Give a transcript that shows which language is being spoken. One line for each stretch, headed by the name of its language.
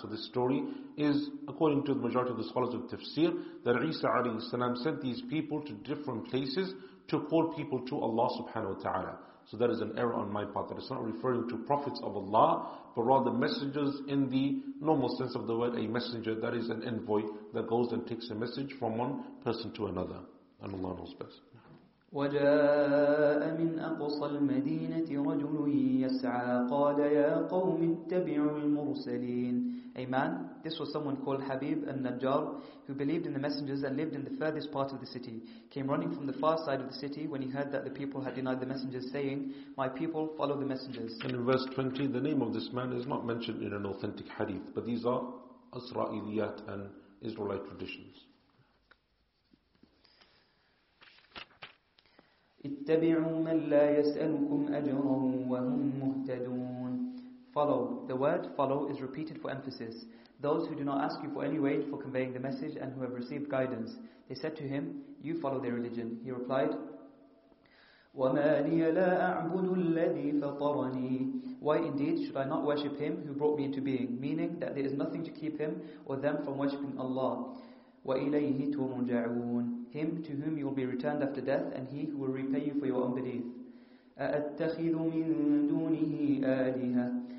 English: So this story is, according to the majority of the scholars of tafsir, that Isa alayhi salam sent these people to different places to call people to Allah subhanahu wa ta'ala. So that is an error on my part, that it's not referring to prophets of Allah, but rather messengers in the normal sense of the word, a messenger, that is an envoy that goes and takes a message from one person to another. And Allah knows best.
Arabic: وجاء من أقصى المدينة رجل يسعى قال يا قوم اتبعوا المرسلين.
English: A man, this was someone called Habib al-Najjar, who believed in the messengers and lived in the furthest part of the city, came running from the far side of the city when he heard that the people had denied the messengers, saying, my people, follow the messengers. And in verse 20, the name of this man is not mentioned in an authentic hadith, but these are Asra'iliyat and Israelite traditions.
Arabic: اتبعوا من لا يسألكم أجرا وهم مهتدون.
English: Follow. The word follow is repeated for emphasis. Those who do not ask you for any wage for conveying the message and who have received guidance. They said to him, you follow their religion. He replied,
Arabic: وما لي لا أعبد الذي فطرني.
English: Why indeed should I not worship him who brought me into being? Meaning that there is nothing to keep him or them from worshipping Allah.
Arabic: وإليه ترجعون.
English: Him to whom you will be returned after death, and he who will repay you for your unbelief.
Arabic: أَأَتَّخِذُ مِن دُونِهِ آلِهَةً.